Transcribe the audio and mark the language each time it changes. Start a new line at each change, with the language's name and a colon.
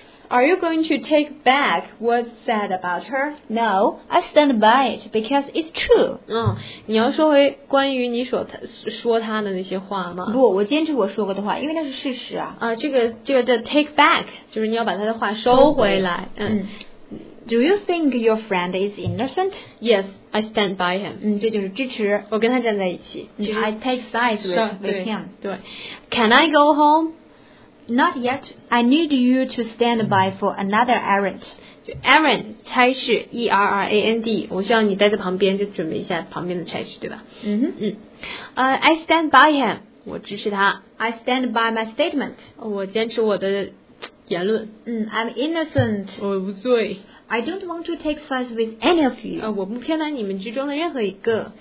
English: Are you going to take back what's said about her? No, I stand by it because it's true.
Chinese: 你要说回关于你所说他的那些话吗？不，我坚持我说过的话，因为那是事实啊。这个
English: take back
Chinese: 就是你要把他的话收回来。
English: Do you think your friend is innocent? Yes, I stand by him.
Chinese: 这就是支持，我跟他站在一起。
English: I take sides with him.
Chinese: 对。
English: Can I go home? Not yet. I need you to stand by for another errand.
Chinese: Errand 差事 E-R-R-A-N-D 我需要你待在旁边，就准备一下旁边的差事，对吧？
English: I stand by him.
Chinese: 我支持他。
English: I stand by my statement.
Chinese: 我坚持我的言论。
English: I'm innocent.
Chinese: 我无罪。
English: I don't want to take sides with any of you.
Chinese: 我不偏袒你们之中的任何一个。